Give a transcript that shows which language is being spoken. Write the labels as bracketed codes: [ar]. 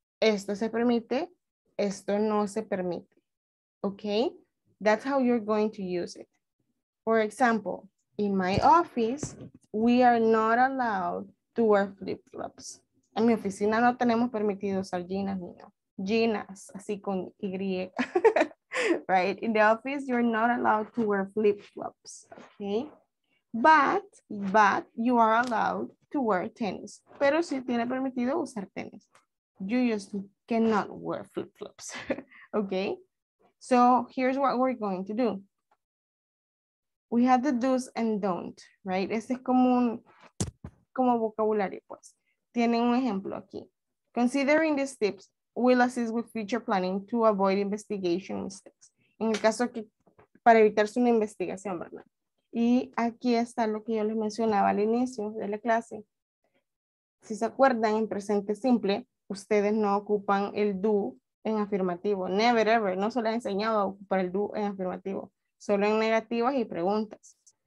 [es] Esto se permite, esto no se permite, ¿ok? [en] That's how you're going to use it. For example, in my office, we are not allowed to wear flip-flops. [es] En mi oficina no tenemos permitido usar jeans, niño. Jeans, así con Y. [en] Right? In the office, you're not allowed to wear flip-flops. Okay? But you are allowed to wear tennis. [es] Pero si tiene permitido usar tenis. [en] You just cannot wear flip-flops. Okay? So here's what we're going to do. We have the do's and don't, right? [es] Este es como un como vocabulario, pues. Tienen un ejemplo aquí. [en] Considering these tips, we'll assist with future planning to avoid investigation mistakes. [es] En el caso que, para evitarse una investigación, ¿verdad? Y aquí está lo que yo les mencionaba al inicio de la clase. Si se acuerdan, en presente simple, ustedes no ocupan el do en afirmativo. [en] Never, ever. [es] No se les ha enseñado a ocupar el do en afirmativo. Solo en negativas y preguntas.